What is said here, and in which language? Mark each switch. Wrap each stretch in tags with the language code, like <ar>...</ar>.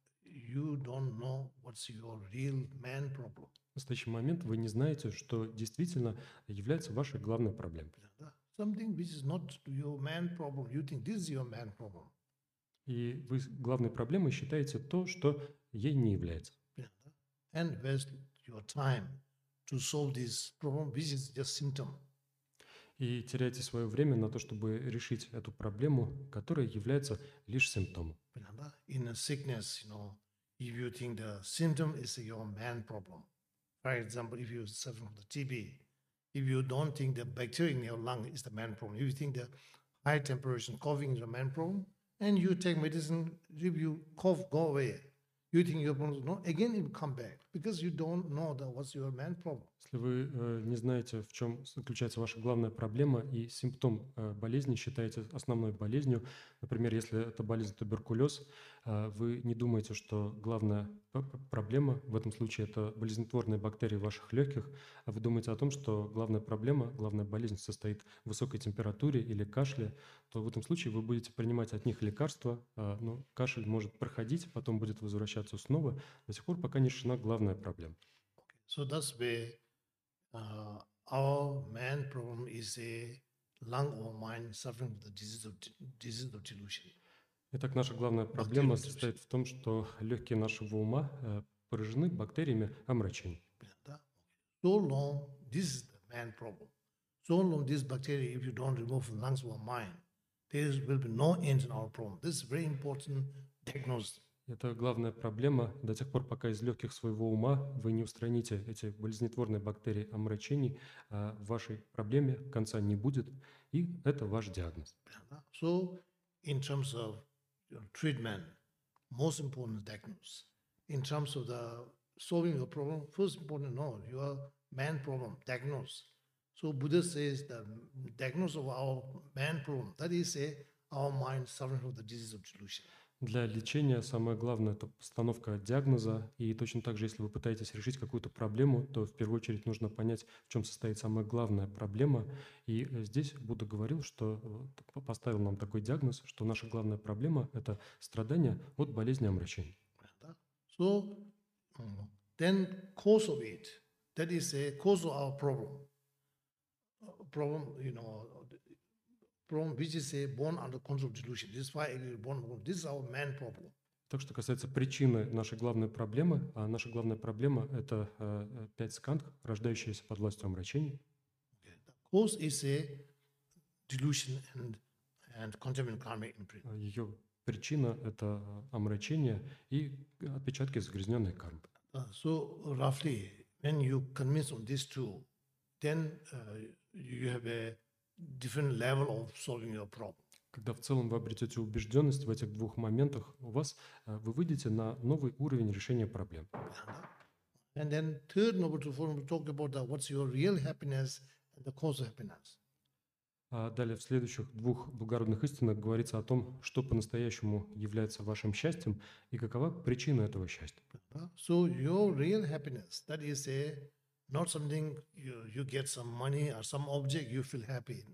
<en>You don't know what's your real main problem.</en> <ru>В настоящий момент вы не знаете, что действительно является вашей главной проблемой.</ru> <en>Something which is not your main problem, you think this is your main problem.</en> <ru>И вы главной проблемой считаете то, что ей не является.</ru> <en>And waste your time to solve this problem, which is just symptom.</en> <ru>И теряете свое время на то, чтобы решить эту проблему, которая является лишь симптомом.</ru> <en>In a sickness, you know, if you think the symptom is your main problem, for example, if you suffer from the TB, if you don't think the bacteria in your lung is the main problem, if you think the high temperature coughing is the main problem, and you take medicine, if you cough, go away. You think your problem is not, again it will come back, because you don't know that what's your main problem.</en> <ru>Если вы не знаете, в чем заключается ваша главная проблема и симптом болезни считаете основной болезнью, например, если это болезнь туберкулез, вы не думаете, что главная проблема в этом случае – это болезнетворные бактерии ваших легких, а вы думаете о том, что главная проблема, главная болезнь состоит в высокой температуре или кашле, то в этом случае вы будете принимать от них лекарства, но кашель может проходить, потом будет возвращаться снова, до сих пор пока не решена главная проблема.</ru> <en>So that's where our main problem is a lung or mind suffering from the disease of delusion.</en> <ru>Итак, наша главная проблема состоит в том, что легкие нашего ума поражены бактериями омрачений.</ru> <en>So long, this is the main problem. So long, these bacteria, if you don't remove from lungs or mind, there will be no end in our problem. This is very important diagnosis.</en> <ru>Это главная проблема. До тех пор, пока из легких своего ума вы не устраните эти болезнетворные бактерии омрачений, в вашей проблеме конца не будет. И это ваш диагноз.</ru> <en>So, in terms of treatment, most important diagnosis. In terms of the solving your problem, first important know your main problem, diagnosis. So Buddha says the diagnosis of our main problem, that is say our mind suffering from the disease of delusion.</en> <ru>Для лечения самое главное – это постановка диагноза. И точно так же, если вы пытаетесь решить какую-то проблему, то в первую очередь нужно понять, в чем состоит самая главная проблема. И здесь Будда говорил, что поставил нам такой диагноз, что наша главная проблема – это страдания от болезни омрачений.</ru> <en>So, then cause of it, that is a cause of our problem. Problem, you know, problem which is a born under control of delusion. This is why it is born. This is our main problem.</en> <ru>Так что касается причины нашей главной проблемы, а наша главная проблема это пять сканд, рождающиеся под властью омрачений.</ru> <en>Cause is a dilution and contaminant climate imprint.</en> <ru>Ее причина – это омрачение и отпечатки загрязненной кармы.</ru> <en>So roughly, when you convince on these two, then you have a different level of solving your problem.</en> <ru>Когда в целом вы обретете убежденность в этих двух моментах, у вас вы выйдете на новый уровень решения проблем.</ru> <en>And then third number two form, we talk about that, what's your real happiness and the cause of happiness.</en> <ru>А далее в следующих двух благородных истинах говорится о том, что по-настоящему является вашим счастьем и какова причина этого счастья.</ru> <en>So your real happiness, that is a not something you get some money or some object, you feel happy.</en>